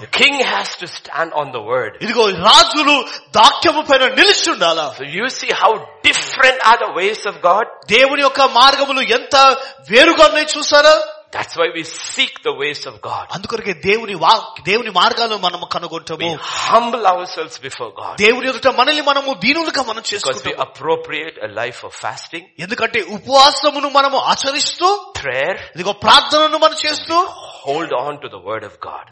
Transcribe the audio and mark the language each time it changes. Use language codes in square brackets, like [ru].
[en] The king has to stand on the word. [te] ఇదిగో రాజులు దాక్యము పైన నిలిచి ఉండాల. [en] So you see how different are the ways of God. [te] దేవుని యొక్క మార్గములు ఎంత వేరుగా ఉన్నాయి చూసారా? [en] That's why we seek the ways of God. [te] అందుకొరకు దేవుని వాక్ దేవుని మార్గాలను మనం కనుగొంటాము. [en] We humble ourselves before God. [te] దేవుని ఎదుట మనల్ని మనము దీనులుగా మనం చేసుకుంటాము. [en] Because we appropriate a life of fasting. [te] ఎందుకంటే ఉపవాసమును మనము ఆచరిస్తూ [en] prayer. [te] ఇదిగో ప్రార్థనను మనం చేస్తూ [en] hold on to the word of God.